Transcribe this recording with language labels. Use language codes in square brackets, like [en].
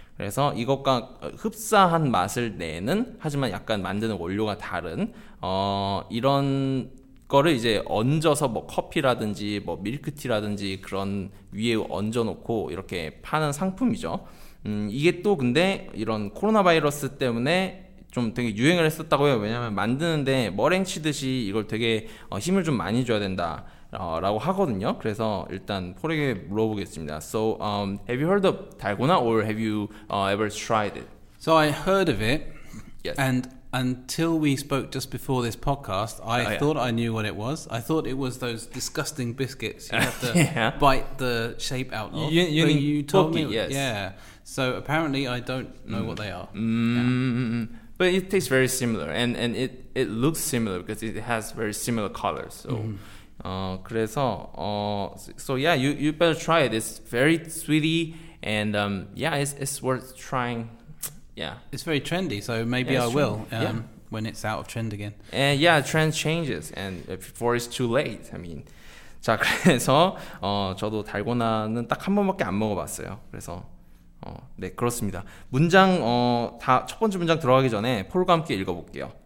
[ko] 그래서 이것과 흡사한 맛을 내는 하지만 약간 만드는 원료가 다른 이런 거를 이제 얹어서 뭐 커피라든지 뭐 밀크티라든지 그런 위에 얹어놓고 이렇게 파는 상품이죠. 이게 또 근데 이런 코로나 바이러스 때문에 좀 되게 유행을 했었다고 해요. 왜냐하면 만드는데 머랭 치듯이 이걸 되게 힘을 좀 많이 줘야 된다 라고 하거든요. 그래서 일단 폴에게 물어보겠습니다. [en] So, have you heard of 달고나 or have you ever tried it? So I heard of it. Yes. And until we spoke just before this podcast, I thought I knew what it was. I thought it was those disgusting biscuits you have to bite the shape out of. You told me. Yes. Yeah. So apparently I don't know what they are. But it tastes very similar and it looks similar because it has very similar colors. So you better try it. It's very sweetie and it's worth trying. Yeah. It's very trendy, so maybe will when it's out of trend again. And yeah, trend changes and before it's too late. I mean. [ko] 자, 그래서 저도 달고나는 딱 한 번밖에 안 먹어 봤어요. 그래서 네, 그렇습니다. 문장 다 첫 번째 문장 들어가기 전에 폴과 함께 읽어 볼게요.